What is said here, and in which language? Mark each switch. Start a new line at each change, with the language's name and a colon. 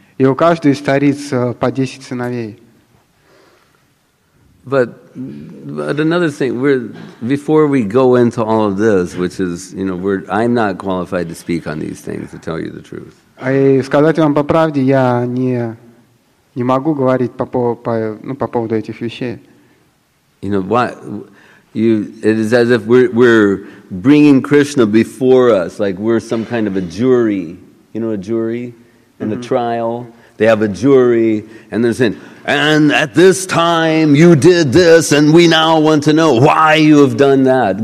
Russian: И у каждой из цариц по 10 сыновей.
English: But another thing, before we go into all of this, which is, you know, I'm not qualified to speak on these things, to tell you the truth.
Russian: И сказать вам по правде, я не могу говорить по поводу этих вещей.
English: You know why? It is as if we're bringing Krishna before us, like we're some kind of a jury. You know, a jury in a trial. They have a jury, and they're saying, "And at this time, you did this, and we now want to know why you have done that."